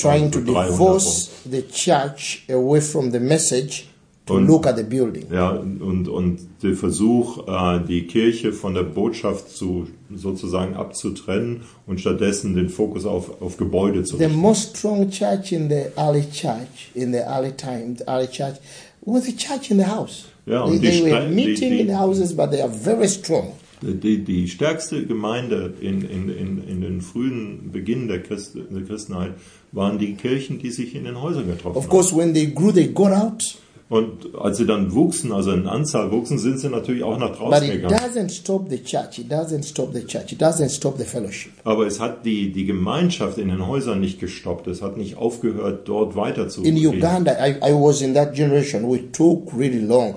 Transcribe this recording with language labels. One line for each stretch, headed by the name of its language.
English: Trying to divorce the church away from the message. Und, look at the building.
German: Ja, und der Versuch, die Kirche von der Botschaft zu sozusagen abzutrennen und stattdessen den Fokus auf Gebäude zu richten.
English: The most strong church in the early church, in the early time, the early church, was the church in the house.
German: Ja,
English: und they were meeting in the houses, but they are very strong.
German: Die stärkste Gemeinde in den frühen Beginn der Christenheit waren die Kirchen, die sich in den Häusern getroffen haben.
English: Of course, when they grew, they got out.
German: Und als sie dann wuchsen, also in Anzahl wuchsen, sind sie natürlich auch nach draußen gegangen.
English: But it doesn't stop the church. It doesn't stop the church. It doesn't stop the fellowship.
German: Aber es hat die Gemeinschaft in den Häusern nicht gestoppt. Es hat nicht aufgehört, dort weiterzugehen.
English: In Uganda, I was in that generation. We took really long.